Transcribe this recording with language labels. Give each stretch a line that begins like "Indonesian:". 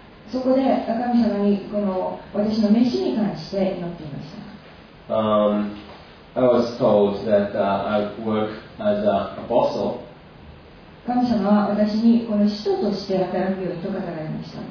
Japanese: そこで神様にこの私の召しに関して祈っていました。
English: I was told that I work as an apostle.
Japanese: 神様は私にこの使徒として働くようにと語られました。